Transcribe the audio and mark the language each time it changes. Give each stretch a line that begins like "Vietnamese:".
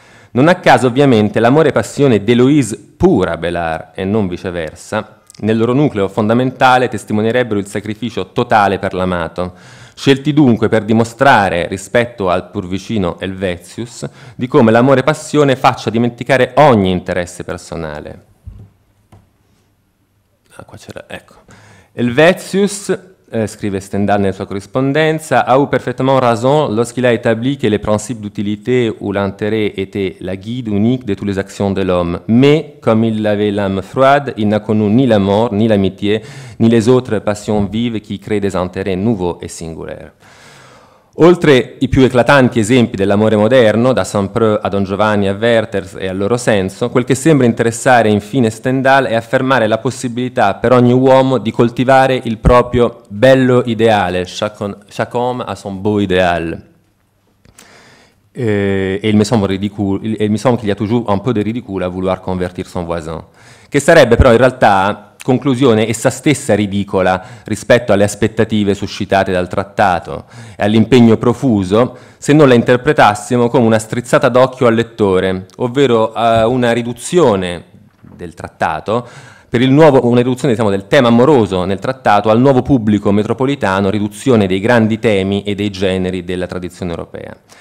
Italian: Non a caso, ovviamente, l'amore e passione d'Eloise pur Abelard e non viceversa, nel loro nucleo fondamentale testimonierebbero il sacrificio totale per l'amato, scelti dunque per dimostrare, rispetto al pur vicino Helvetius, di come l'amore passione faccia dimenticare ogni interesse personale. Ah, qua c'era, ecco. Helvetius, scrive Stendhal nella sua corrispondenza,
French: a eu parfaitement raison lorsqu'il a établi que les principes d'utilité ou l'intérêt étaient la guide unique de toutes les actions de l'homme. Mais, comme il avait l'âme froide, il n'a connu ni la mort, ni l'amitié, ni les autres passions vives qui créent des intérêts nouveaux et singulaires.
Italian: Oltre i più eclatanti esempi dell'amore moderno, da Saint-Preux a Don Giovanni a Werther e al loro senso, quel che sembra interessare infine Stendhal è affermare la possibilità per ogni uomo di coltivare il proprio bello ideale,
French: chaque homme a son beau idéal. E il me semble qu'il y a toujours un peu de ridicule à vouloir convertir son voisin.
Italian: Che sarebbe però in realtà, conclusione, essa stessa ridicola rispetto alle aspettative suscitate dal trattato e all'impegno profuso, se non la interpretassimo come una strizzata d'occhio al lettore, ovvero una riduzione del trattato per il nuovo, una riduzione, diciamo, del tema amoroso nel trattato al nuovo pubblico metropolitano, riduzione dei grandi temi e dei generi della tradizione europea.